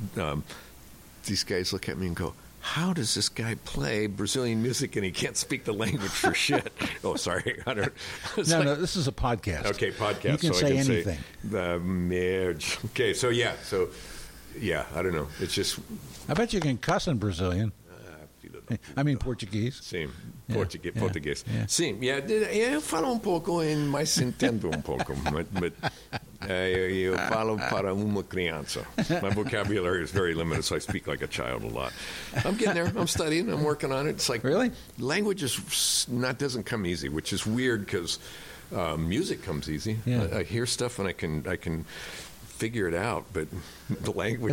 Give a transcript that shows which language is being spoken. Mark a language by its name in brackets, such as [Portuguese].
[English] So these guys look at me and go, how does this guy play Brazilian music and he can't speak the language for shit? Oh, sorry. This is a podcast. Okay, podcast. You can say anything. The marriage. Okay, so, I don't know. It's just... I bet you can cuss in Brazilian. I mean Portuguese. Same. Portuguese. Same. [Portuguese] Yeah, eu falo um pouco e mais entendo um pouco, but... eu falo para uma criança. [English] My vocabulary is very limited, so I speak like a child a lot. I'm getting there. I'm studying. I'm working on it. It's like, really? Language doesn't come easy, which is weird because music comes easy. Yeah. I hear stuff and I can figure it out, but the language